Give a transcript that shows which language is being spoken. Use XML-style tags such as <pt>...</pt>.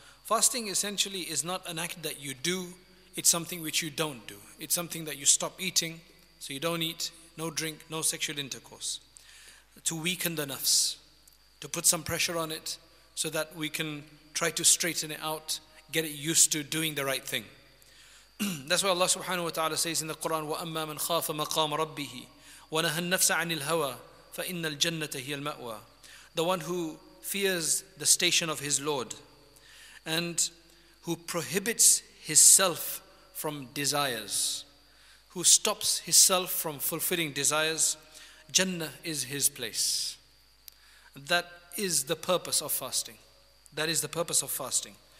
<en>Fasting essentially is not an act that you do, it's something which you don't do. It's something that you stop eating, so you don't eat, no drink, no sexual intercourse. To weaken the nafs, to put some pressure on it, so that we can try to straighten it out, get it used to doing the right thing. That's why Allah subhanahu wa ta'ala says in the Quran,</en> <ar>وَأَمَّا مَنْ خَافَ مَقَامَ رَبِّهِ وَنَهَى النَّفْسَ عَنِ الْهَوَى فَإِنَّ الْجَنَّةَ هِيَ الْمَأْوَى.</ar> <en>The one who fears the station of his Lord and who prohibits his self from desires, who stops his self from fulfilling desires, Jannah is his place. That is the purpose of fasting. That is the purpose of fasting.</en>